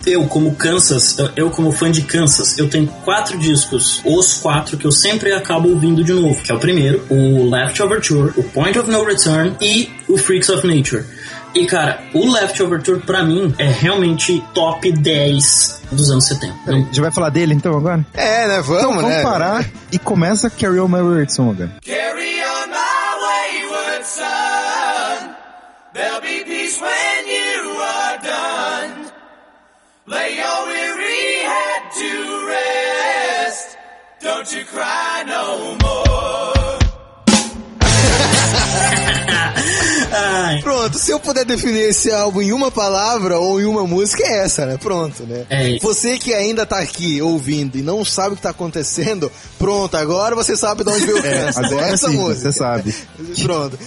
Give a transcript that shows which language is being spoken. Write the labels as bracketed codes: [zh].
[pt] Eu, como fã de Kansas, eu tenho 4 discos, os 4 que eu sempre acabo ouvindo de novo, que é o primeiro, o Left Overture, o Point of No Return e o Freaks of Nature. E, cara, o Left Overture, pra mim, é realmente top 10 dos anos 70. A gente vai falar dele, então, agora? É, né? Vamos, então, Vamos parar e começa Carry On My Wayward Son, agora. [en] Carry on my wayward son, there'll be peace when you are done. Lay your weary head to rest, don't you cry no more. [pt] Pronto, se eu puder definir esse álbum em uma palavra ou em uma música, é essa, né? Pronto, né? É isso. Você que ainda tá aqui ouvindo e não sabe o que tá acontecendo, pronto, agora você sabe de onde veio o Kansas. É essa música. Você sabe. Pronto.